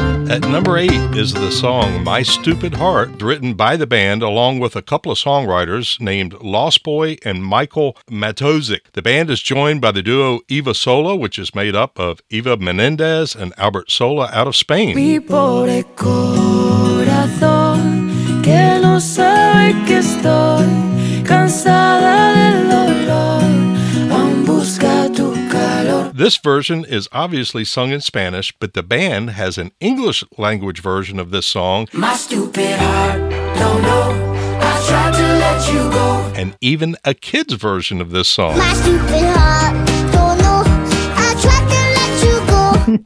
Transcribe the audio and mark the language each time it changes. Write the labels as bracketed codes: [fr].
[en] At number 8 is the song My Stupid Heart, written by the band along with a couple of songwriters named Lost Boy and Michael Matozik. The band is joined by the duo Eva Sola, which is made up of Eva Menendez and Albert Sola out of Spain. [es] Pobre corazón, que no sabe que estoy cansada del dolor. [en] This version is obviously sung in Spanish, but the band has an English language version of this song. My stupid heart, don't know, I tried to let you go. And even a kid's version of this song. My stupid heart, don't know, I tried to let you go.